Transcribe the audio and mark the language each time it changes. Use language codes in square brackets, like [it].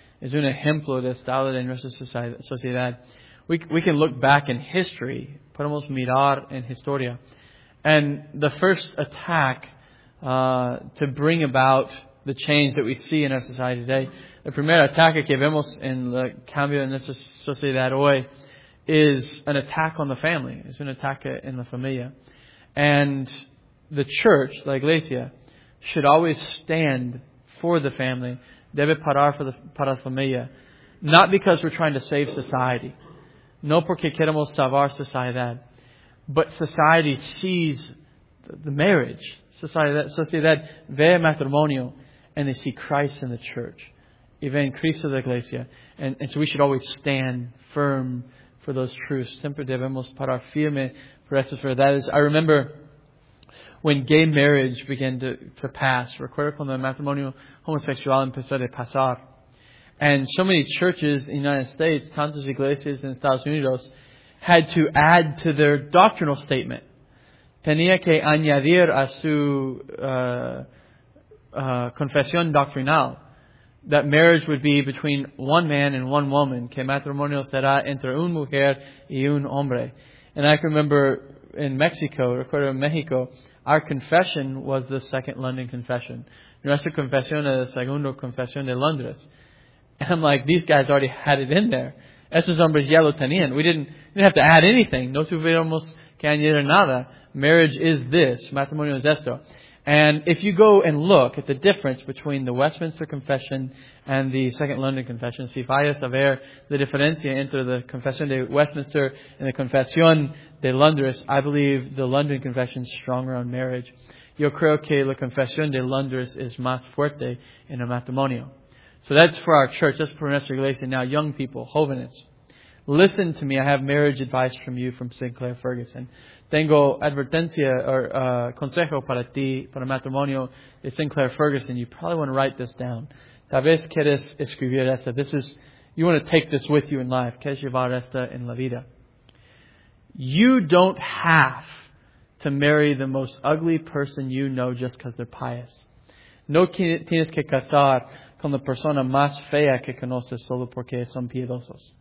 [es] Es un ejemplo de estado de nuestra sociedad. [en] We can look back in history, [es] podemos mirar en historia, [en] and the first attack to bring about the change that we see in our society today. [es] The primer ataque que vemos en el cambio en nuestra sociedad hoy [en] is an attack on the family. [es] Es un ataque en la familia. [en] And the church, [es] la iglesia, [en] should always stand for the family. [es] Debe parar para la familia. [en] Not because we're trying to save society. [es] No porque queremos salvar sociedad. [en] But society sees the marriage. [es] Sociedad ve matrimonio [en] and they see Christ in the church. [es] Y ven Cristo de la iglesia. [en] And so we should always stand firm for those truths. [es] Siempre debemos parar firme por esas verdades. [en] I remember when gay marriage began to pass. [es] Recuerdo cuando el matrimonio homosexual empezó a pasar. [en] And so many churches in the United States, [es] tantas iglesias en Estados Unidos, [en] had to add to their doctrinal statement. [es] Tenía que añadir a su confesión doctrinal [en] that marriage would be between one man and one woman, [es] que matrimonio será entre una mujer y un hombre. [en] And I can remember in Mexico, [es] recuerdo en México, [en] our confession was the Second London Confession. [es] Nuestra confesión es la Segunda Confesión de Londres. [en] And I'm like, these guys already had it in there. [es] Esos hombres ya lo tenían. [en] We didn't have to add anything. [es] No tuviéramos que añadir nada. [en] Marriage is this. [es] Matrimonio es esto. [en] And if you go and look at the difference between the Westminster Confession and the Second London Confession, [es] si vayas a ver la diferencia entre [en] the Confession de Westminster and the Confession de Londres, I believe the London Confession is stronger on marriage. [es] Yo creo que la Confession de Londres es más fuerte en el matrimonio. [en] So that's for our church. That's for [es] nuestra iglesia. [en] Now, young people, jóvenes, listen to me. I have marriage advice from you from Sinclair Ferguson. [es] Tengo advertencia or consejo para ti, para matrimonio de Sinclair Ferguson. [en] You probably want to write this down. [es] Tal vez quieres escribir esto. [en] This is, you want to take this with you in life. [es] Quieres llevar esto en la vida. [en] You don't have to marry the most ugly person you know just because they're pious. [es] No tienes que casar con la persona más fea que conoces solo porque son piedosos.